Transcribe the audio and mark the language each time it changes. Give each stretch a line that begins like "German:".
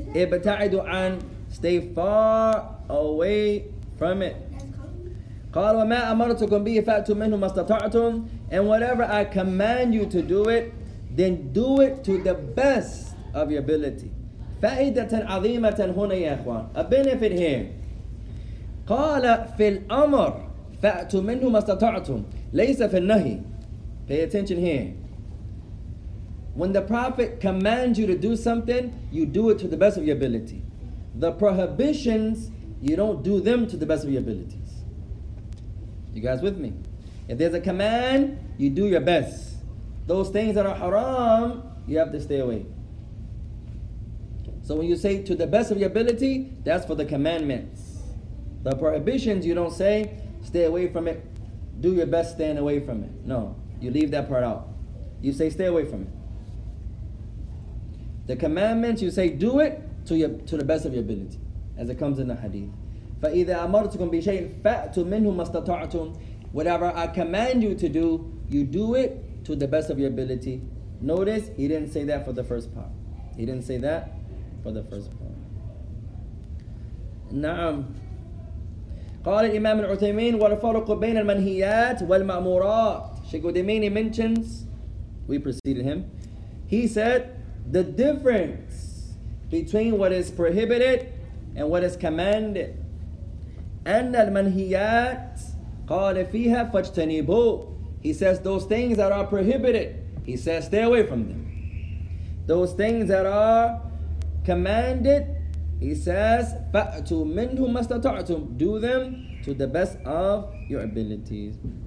Arabic: اِبْتَعِدُوا عَنْ.
English: Stay far away from it.
Arabic: قَالَ وَمَا أَمَرْتُكُمْ بِهِ فَأْتُوا مِنْهُ مَا اسْتَطَعْتُمْ.
English: And whatever I command you to do it, then do it to the best of your ability.
Arabic: فَإِدَةً عَظِيمَةً هُنَا يَا أَخْوَانَ.
English: A benefit here.
Arabic: قال في الأمر فأتوا منه ما استطعتم ليس في النهي.
English: Pay attention here. When the Prophet commands you to do something, you do it to the best of your ability. The prohibitions, you don't do them to the best of your abilities. You guys with me? If there's a command, you do your best. Those things that are haram, you have to stay away. So when you say to the best of your ability, that's for the commandments. The prohibitions, you don't say, stay away from it. Do your best staying away from it. No, you leave that part out. You say, stay away from it. The commandments, you say, do it to the best of your ability, as it comes in the hadith. فَإِذَا أَمَرْتُكُمْ بِشَيْءٍ فَأْتُ مِنْهُ مَا اسْتَطَعْتُمْ. Whatever I command you to do, you do it to the best of your ability. Notice, he didn't say that for the first part. He didn't say that for the first part.
Arabic: نعم. قال الإمام العثيمين والفرق بين المنهيات والمأمورات.
English: Sheikh Uthaymeen mentions, we preceded him. He said, the difference between what is prohibited and what is commanded.
Arabic: أن المنهيات قال فيها فاجتنبوا.
English: He says those things that are prohibited, he says stay away from them. Those things that are commanded, he says
Arabic: فأتوا منه ما استطعتم.
English: Do them to the best of your abilities.